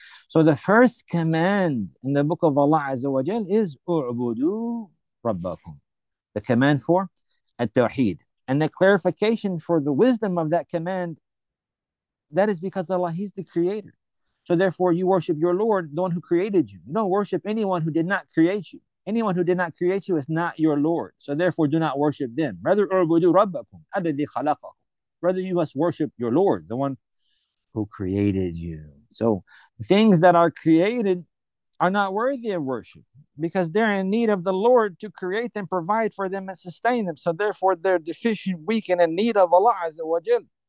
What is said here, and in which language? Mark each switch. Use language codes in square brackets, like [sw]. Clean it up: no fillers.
[en] So the first command in the book of Allah Azza wa Jal is [ar] اعبدوا ربكم, [en] the command for التوحيد. And the clarification for the wisdom of that command, that is because Allah, He's the creator. So therefore, you worship your Lord, the one who created you. You don't worship anyone who did not create you. Anyone who did not create you is not your Lord. So therefore, do not worship them. Rather, [ar] اعبدوا ربكم الذي خلقكم. [en] Rather, you must worship your Lord, the one who created you. So things that are created are not worthy of worship because they're in need of the Lord to create and provide for them and sustain them. So therefore, they're deficient, weak, and in need of Allah Azza wa Jal.